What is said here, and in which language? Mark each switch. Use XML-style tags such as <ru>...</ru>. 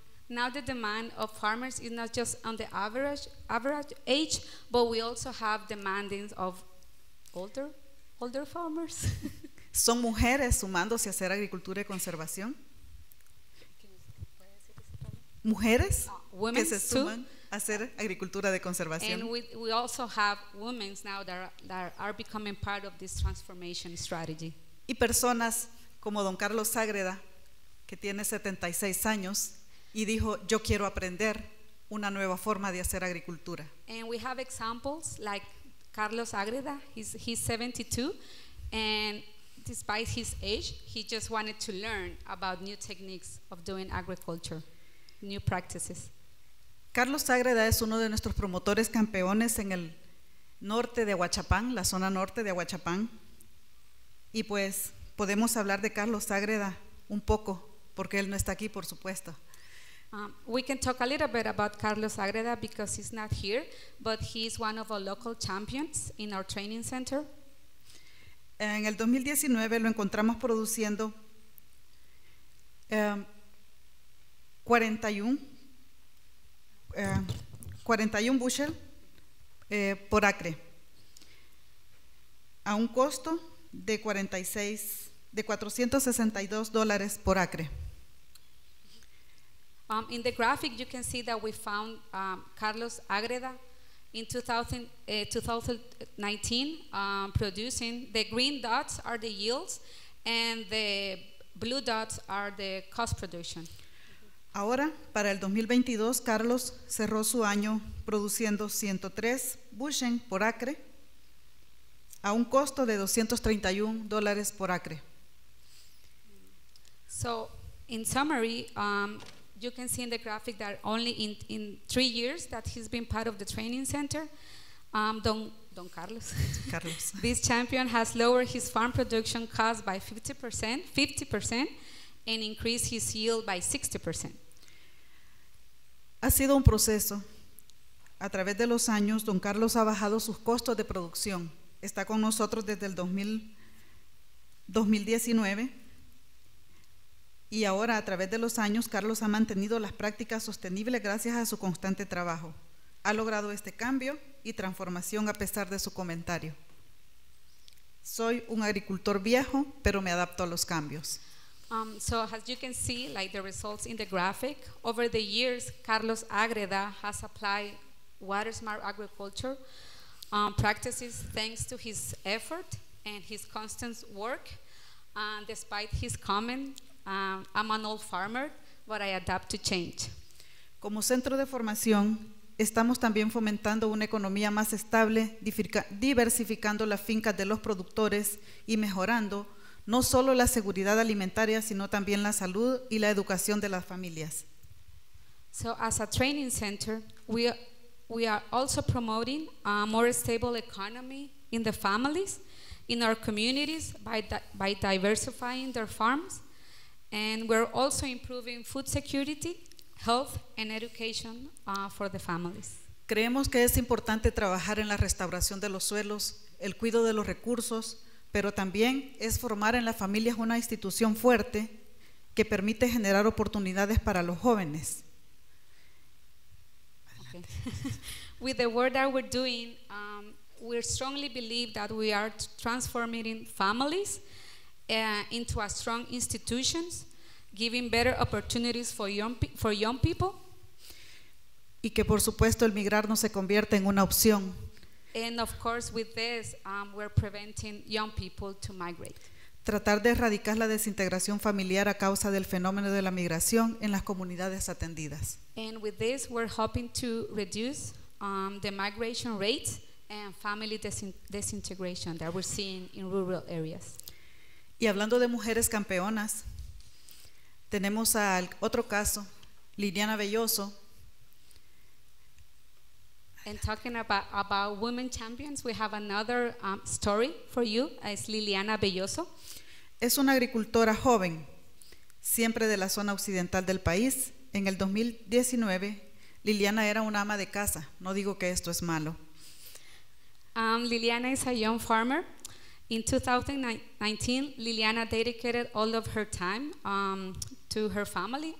<en>Now the demand of farmers is not just on the average age, but we also have demandings of older farmers.</en> <es>Son mujeres sumándose a hacer agricultura y conservación. Mujeres que se suman a hacer agricultura de conservación.</es> <en>And we also have women now that are becoming part of this transformation strategy.</en> <es>Y personas como Don Carlos Ságreda, que tiene 76 años y dijo, yo quiero aprender una nueva forma de hacer agricultura.</es> <en>And we have examples like Carlos Ágreda, he's 72, and despite his age, he just wanted to learn about new techniques of doing agriculture, new practices.</en> <es>Carlos Ágreda es uno de nuestros promotores campeones en el norte de Huachapán, la zona norte de Huachapán, y pues podemos hablar de Carlos Ágreda un poco, porque él no está aquí, por supuesto.</es> <en>We can talk a little bit about Carlos Ágreda because he's not here, but he's one of our local champions in our training center.</en> <es>En el 2019 lo encontramos produciendo 41 bushel por acre a un costo de $462 por acre.</es> <en>In the graphic, you can see that we found Carlos Ágreda in 2019 producing. The green dots are the yields, and the blue dots are the cost production.</en> <es>Ahora, para el 2022, Carlos cerró su año produciendo 103 bushel por acre a un costo de $231 por acre.</es> <en>So, in summary, you can see in the graphic that only in 3 years that he's been part of the training center, Don Carlos. Carlos. This champion has lowered his farm production cost by 50%, and increased his yield by 60%.</en> <es>Ha sido un proceso. A través de los años, Don Carlos ha bajado sus costos de producción. Está con nosotros desde el 2019. Y ahora, a través de los años, Carlos ha mantenido las prácticas sostenibles gracias a su constante trabajo. Ha logrado este cambio y transformación a pesar de su comentario. Soy un agricultor viejo, pero me adapto a los cambios.</es> <en>So, as you can see, like the results in the graphic, over the years, Carlos Ágreda has applied water smart agriculture practices thanks to his effort and his constant work, despite his comment. I'm an old farmer, but I adapt to change.</en> <es>Como centro de formación, estamos también fomentando una economía más estable, diversificando las fincas de los productores y mejorando no solo la seguridad alimentaria, sino también la salud y la educación de las familias.</es> <en>So as a training center, we are also promoting a more stable economy in the families, in our communities, by diversifying their farms. And we're also improving food security, health, and education for the families.</en> <es>Creemos que es importante trabajar en la restauración de los suelos, el cuidado de los recursos, pero también es formar en las familias una institución fuerte que permite generar oportunidades para los jóvenes.</es> <en>Okay. With the work that we're doing, we strongly believe that we are transforming families into a strong institutions, giving better opportunities for young people.</en> <es>Y que por supuesto el migrar no se convierta en una opción.</es> <en>And of course with this, we're preventing young people to migrate.</en> <es>Tratar de erradicar la desintegración familiar a causa del fenómeno de la migración en las comunidades atendidas.</es> <en>And with this, we're hoping to reduce the migration rates and family disintegration that we're seeing in rural areas.</en> <es>Y hablando de mujeres campeonas, tenemos al otro caso, Liliana Belloso.</es> <en>And talking about women champions, we have another story for you. It's Liliana Belloso.</en> <es>Es una agricultora joven, siempre de la zona occidental del país. En el 2019, Liliana era una ama de casa. No digo que esto es malo.</es> <en>Liliana is a young farmer. In 2019, Liliana dedicated all of her time to her family.</en>